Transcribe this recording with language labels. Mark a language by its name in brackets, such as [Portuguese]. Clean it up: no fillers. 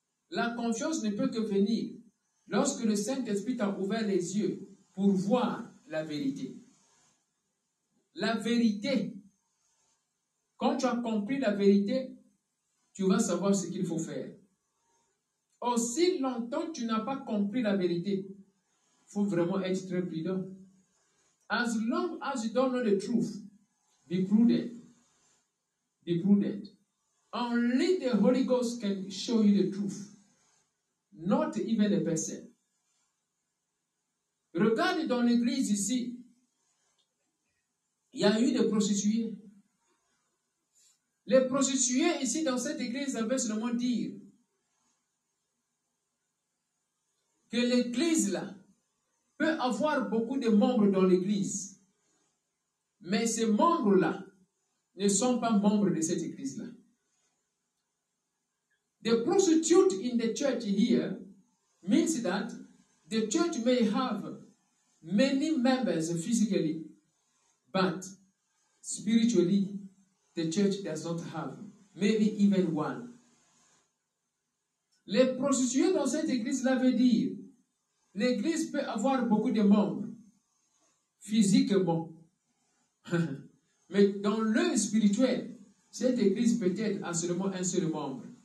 [French] La confiance ne peut que venir lorsque le Saint-Esprit t'a ouvert les yeux pour voir la vérité. La vérité. Quand tu as compris la vérité, tu vas savoir ce qu'il faut faire. Aussi longtemps que tu n'as pas compris la vérité, il faut vraiment être très prudent. [English] As long as you don't know the truth, be prudent. Be prudent. Only the Holy Ghost can show you the truth. not even a person. [French] Regarde dans l'église ici, il y a eu des prostituées. Les prostituées ici dans cette église avaient seulement dit que l'église là peut avoir beaucoup de membres dans l'église, mais ces membres-là ne sont pas membres de cette église-là. [English] The prostitute in the church here means that the church may have many members physically, but spiritually, the church does not have maybe even one. [French] Les prostituées dans cette église-là veut dire l'église peut avoir beaucoup de membres physiquement, mais dans l'œil spirituel, cette église peut-être a seulement un seul membre.